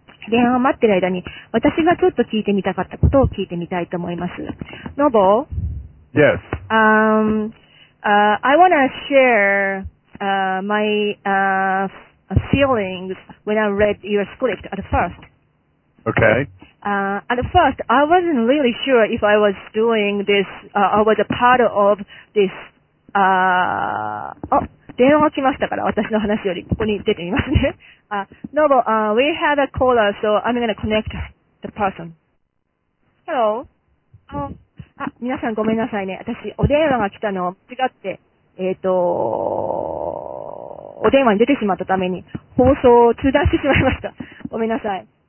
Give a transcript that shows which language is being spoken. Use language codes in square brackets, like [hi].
[ja] 電話を待っている間に、私がちょっと聞いてみたかったことを聞いてみたいと思います。 [en] Nobo? Yes. I want to share, my, feelings when I read your script at first. Okay. At first, I wasn't really sure if I was doing this, I was a part of this, [ja] 電話が来ましたから、私の話よりここに出てみますね。 [en] Nobo, we have a caller, so I'm going to connect the person. Hello? Oh, [ja] あ、皆さんごめんなさいね。私、お電話が来たのを間違って、お電話に出てしまったために、放送を中断してしまいました。ごめんなさい。